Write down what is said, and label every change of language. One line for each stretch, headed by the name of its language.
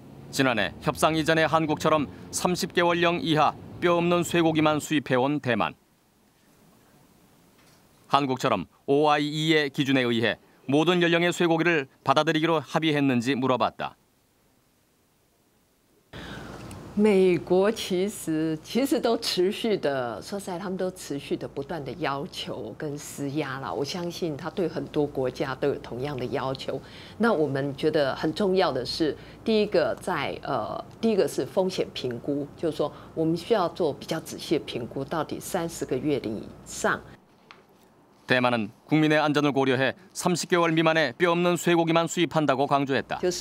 Korean: 지난해 협상 이전에 한국처럼 30개월령 이하 뼈 없는 쇠고기만 수입해온 대만. 한국처럼 OIE의 기준에 의해 모든 연령의 쇠고기를 받아들이기로 합의했는지 물어봤다.
Chinese: 美国其实都持续的，说实在，他们都持续的不断的要求跟施压了。我相信他对很多国家都有同样的要求。那我们觉得很重要的是，第一个在第一个是风险评估，就是说我们需要做比较仔细的评估，到底30个月龄以上。
Korean: 대만은 국민의 안전을 고려해 30개월 미만의 뼈 없는 쇠고기만 수입한다고 강조했다.